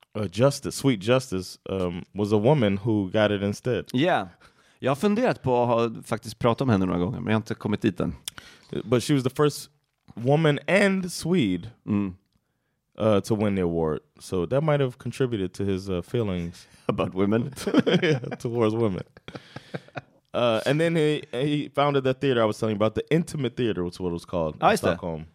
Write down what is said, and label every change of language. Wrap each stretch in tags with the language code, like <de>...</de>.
<en>justice, sweet justice, was a woman who got it instead. Yeah.</en> <sv>Jag har funderat på att faktiskt prata om henne några gånger, men jag har inte kommit dit än.</sv> <en>But she was the first woman and Swede to win the award. So that might have contributed to his feelings. About women? towards women. and then he founded that theater I was telling you about, the Intimate Theater, which is what it was called in Stockholm.</en>